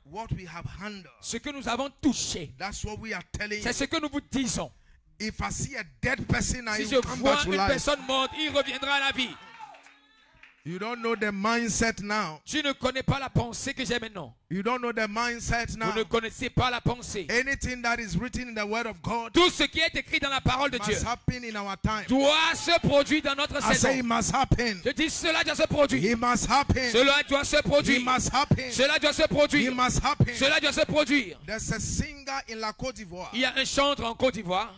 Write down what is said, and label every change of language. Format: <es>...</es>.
<en>what we have handled,</en> <fr>ce que nous avons touché,</fr> <en>that's what we are telling</en> <fr>c'est</fr> <en>you.</en> <fr>Ce que nous vous disons.</fr> <en>If I see a dead person,</en> <fr>si</fr> <en>I</en> <fr>je vois</fr> <en>come back</en> <fr>une personne morte, il reviendra à la vie.</fr> <en>You don't know the mindset now.</en> <fr>Tu ne connais pas la pensée que j'ai maintenant.</fr> <en>You don't know the mindset now.</en> <fr>Vous ne connaissez pas la pensée.</fr> <en>Anything that is written in the word of God.</en> <fr>Tout ce qui est écrit dans la parole de</fr> <en>must</en> <fr>Dieu.</fr> <en>Must happen in our time.</en> <fr>Doit se produire dans notre</fr> <en>I</en> <fr>saison.</fr> <en>I say it must happen.</en> <fr>Je dis cela doit se produire.</fr> <en>It must happen.</en> <fr>Cela doit se produire.</fr> <en>It must happen.</en> <fr>Cela doit se produire.</fr> <en>It must happen.</en> <fr>Cela doit se produire.</fr> <en>There's a singer in la Côte d'Ivoire.</en> <fr>Il y a un chanteur en Côte d'Ivoire.</fr>